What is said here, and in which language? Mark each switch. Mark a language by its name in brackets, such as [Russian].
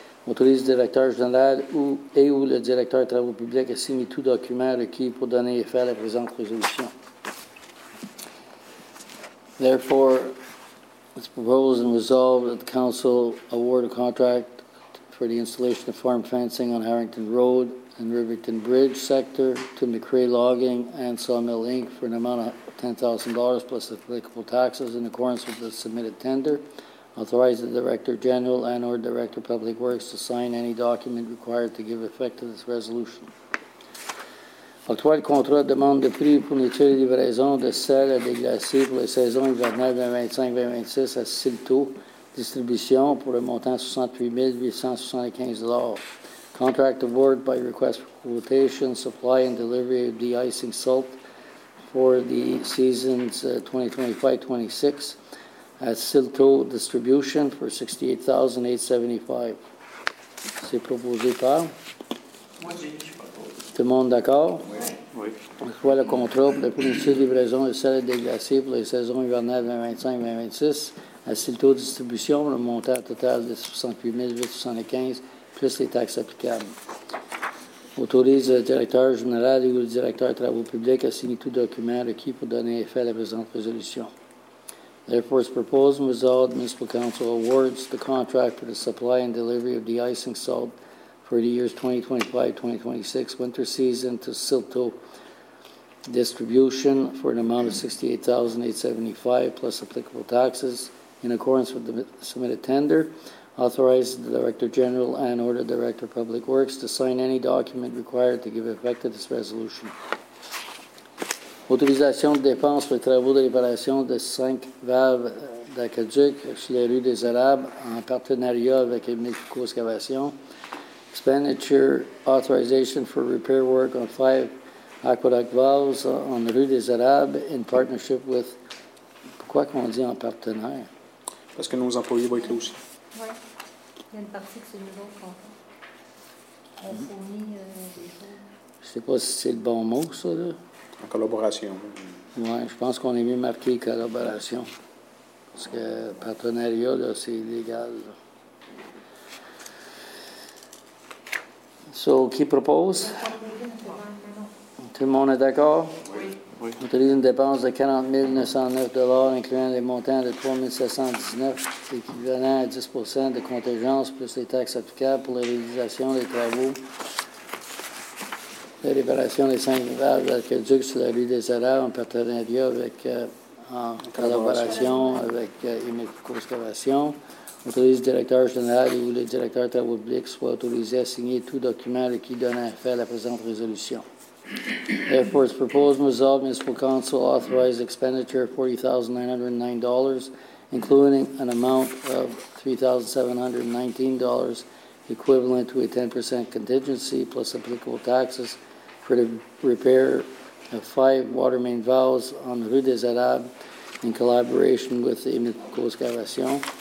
[French] autorise le directeur général ou le directeur des travaux publics à signer tout document requis pour donner effet à la présente résolution. [English] Therefore, it's proposed and resolved that the council award a contract for the installation of farm fencing on Harrington Road and Riverton Bridge sector to McCray Logging and Sawmill Inc. for an amount of $10,000 plus applicable taxes in accordance with the submitted tender. Authorize the Director General and or Director of Public Works to sign any document required to give effect to this resolution. [French] Octroi de contrat demande de prix pour l'étude de livraison de sel à des glaciers pour la saison hivernale 2025-2026 à Silto Distribution pour un montant de $68,875. [English] Contract award by request for quotation, supply and delivery of de-icing salt for the seasons 2025-26 at Silto Distribution for $68,875. [French] C'est proposé par? Moi, j'ai. Tout le monde d'accord? Oui. Octroi le contrat pour la fourniture de livraison de sel et des glaciers pour les saisons hivernales 2025-2026 à Silto Distribution, le montant total de $68,875 plus les taxes applicables. Autorise le directeur général ou le directeur des travaux publics à signer tout document requis pour donner effet à la présente résolution. [English] Therefore, it's proposed and resolved, Municipal Council awards the contract for the supply and delivery of de-icing salt for the years 2025-2026 winter season to Silto Distribution for an amount of $68,875 plus applicable taxes in accordance with the submitted tender. Authorize the Director General and order Director of Public Works to sign any document required to give effect to this resolution. [French] Autorisation de dépenses pour les travaux de réparation de 5 valves d'aqueduc sur les rues des Arabes en partenariat avec Mexico Excavation. [English] Expenditure authorization for repair work on 5 aqueduct valves on the Rue des Arabes in partnership with. [French] Pourquoi qu'on dit en partenaire? Parce que nos employés vont être là aussi. Oui. Il y a une partie que c'est nous autres qu'on fournit. Je ne sais pas si c'est le bon mot, ça. Là. En collaboration. Oui, je pense qu'on est mieux marqué collaboration. Parce que partenariat, là, c'est illégal. Là. So, qui propose? Tout le monde est d'accord? Oui. Autorise une dépense de $40,909, incluant les montants de $3,719, équivalent à 10% de contingence plus les taxes applicables pour la réalisation des travaux de réparation des 5 valves d'aqueduc sur la rue des Arabes en partenariat avec, en collaboration avec Emilco Excavation. Autorise le directeur général ou le directeur de travaux publics soit autorisé à signer tout document qui donne effet à la présente résolution. [English] Therefore, it's proposed and resolved, Municipal Council authorized expenditure of $40,909, including an amount of $3,719, equivalent to a 10% contingency plus applicable taxes for the repair of 5 water main valves on the Rue des Arabes in collaboration with the Emilco Excavation.